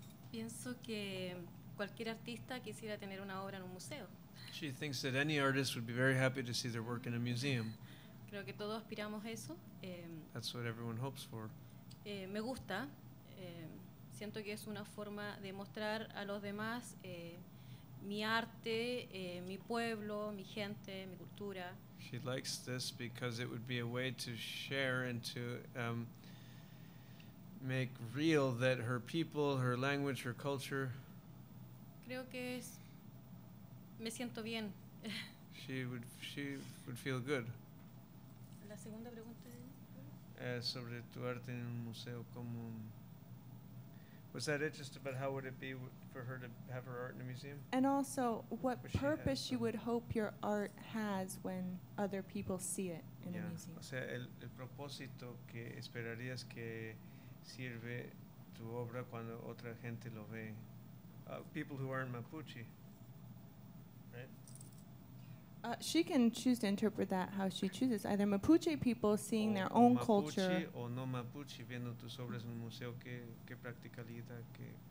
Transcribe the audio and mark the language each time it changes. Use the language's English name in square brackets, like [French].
[Spanish] Pienso que cualquier artista quisiera tener una obra en un museo. [English] She thinks that any artist would be very happy to see their work in a museum. [Spanish] Creo que todos aspiramos eso. [English] That's what everyone hopes for. [Spanish] Me gusta. Siento que es una forma de mostrar a los demás mi arte, mi pueblo, mi gente, mi cultura. [English] She likes this because it would be a way to share and to make real that her people, her language, her culture. [Spanish] Creo que es, me siento bien. [English] she would feel good. [Spanish] La segunda pregunta. Sobre tu arte en un museo, como [English] was that it? Just about how would it be for her to have her art in a museum? And also, what purpose you would hope your art has when other people see it in a museum? [Spanish] O sea, el propósito que esperarías que sirve tu obra cuando otra gente lo ve. [English] People who aren't Mapuche, right? She can choose to interpret that how she chooses. Either Mapuche people seeing their own Mapuche culture. [Spanish] O no Mapuche viendo tus obras en un museo, qué practicalidad, qué.